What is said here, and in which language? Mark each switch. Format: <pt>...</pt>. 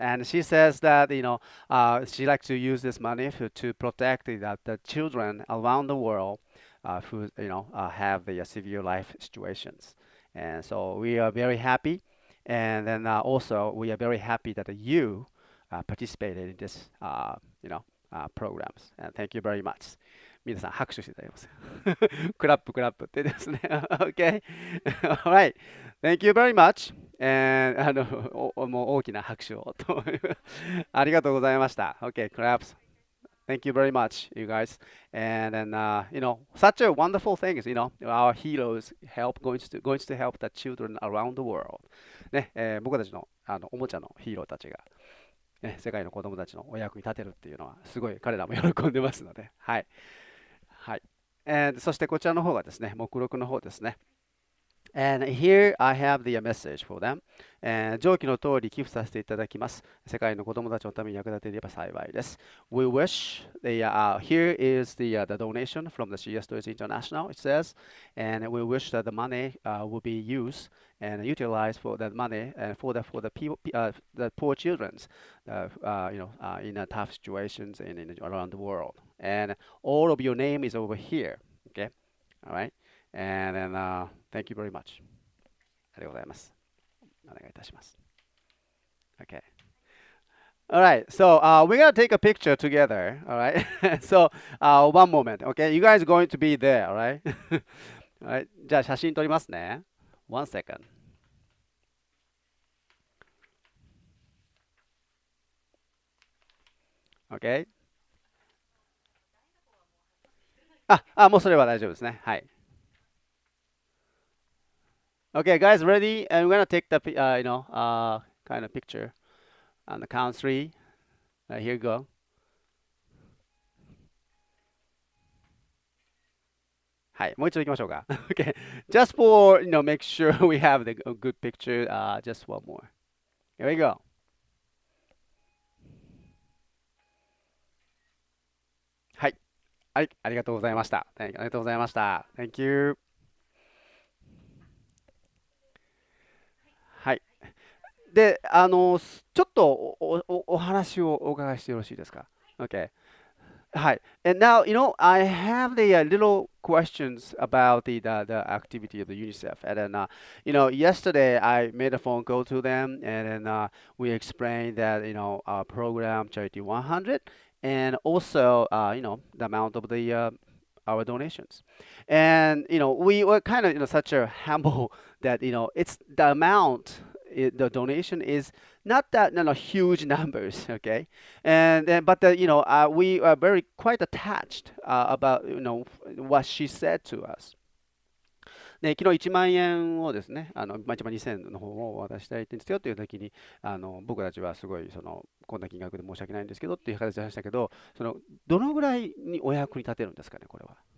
<en>And she says that, you know, she likes to use this money to protect the children around the world who, you know, have the severe life situations. And so we are very happy. And then also, we are very happy that you participated in this, you know, programs. And thank you very much.</en> <ja>皆さん、拍手していただきます。クラップ、クラップってですね。</ja> <en>Okay. All right. Thank you very much.</en> <ja>And もう大きな拍手を。ありがとうございました。</ja> <en>Okay, claps. Thank you very much, you guys. And then, you know, such a wonderful thing is, you know, our heroes help going to help the children around the world.</en> <ja>ね、僕たち あのおもちゃのヒーローたちが、ね、世界の子どもたちのお役に立てるっていうのはすごい彼らも喜んでますので、はいはい、And、そしてこちらの方がですね目録の方ですね</ja> <en>And here I have the message for them、</en> <ja>上記の通り寄付させていただきます世界の子どもたちのために役立てれば幸いです</ja> <en>We wish they, Here is the donation from the CSTOYS International It says And we wish that the money、will be usedAnd utilize for that money and for the people, the poor children, you know, in tough situations in around the world. And all of your name is over here. Okay, all right. And then thank you very much.</en> <ja>ありがとうございます。お願いいたします。</ja> <en>Okay. All right. So we're gonna take a picture together. All right. So one moment. Okay. You guys are going to be there. All right. all right.</en> <ja>じゃあ写真撮りますね。</ja> <en>One second. Okay.</en> <ja>もうそれは大丈夫ですね。はい。</ja> <en>Okay, guys, ready? And we're gonna take the, kind of picture on the count three. Here you go.</en> <ja>Hi, もう一度行きましょうか?</ja> <en>Okay, just for, you know, make sure we have the good picture, just one more. Here we go.</en> <ja>はい、ありがとうございました。ありがとうございました。</ja> <en>Thank you.</en> <ja>で、ちょっと お話をお伺いしてよろしいですか? Okay. はい。</ja> <en>And now, you know, I have the little questions about the activity of the UNICEF. And then, you know, yesterday I made a phone call to them and then, we explained that, you know, our program Charity 100 and also, you know, the amount of the, our donations. And, you know, we were kind of, you know, such a humble that, you know, it's the amount... the donation is not that huge numbers, okay? And then, but, you know, we are very quite attached about, you know, what she said to us.</en> <ja>で、昨日1万円をですね、1万2000円の方を渡したいんですよという時に、僕たちはすごいその、こんな金額で申し訳ないんですけどっていう形でしたけど、その、どのぐらいにお役に立てるんですかね、これは。</ja>